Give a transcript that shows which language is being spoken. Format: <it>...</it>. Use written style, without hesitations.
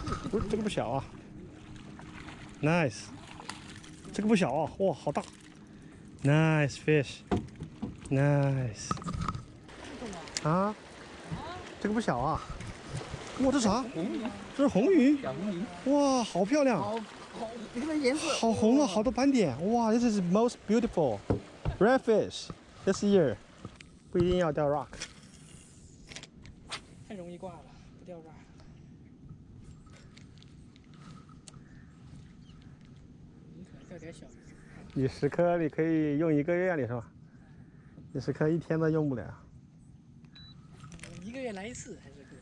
<zh>不是这个不小啊 ，nice， 这个不小啊，哇，好大 ，</zh> <en>nice fish，nice，</en> <zh>啊，这个不小啊，哇，这啥？红鱼，这是红鱼，小红鱼，哇，好漂亮，好，你看颜色，好红啊，好多斑点，哇 ，</zh> <en>this is most beautiful red fish this year，</en> <zh>不一定要钓 rock，太容易挂了，不钓 rock。你十颗你可以用一个月里是吧？你十颗一天都用不了。一个月来一次还是</zh>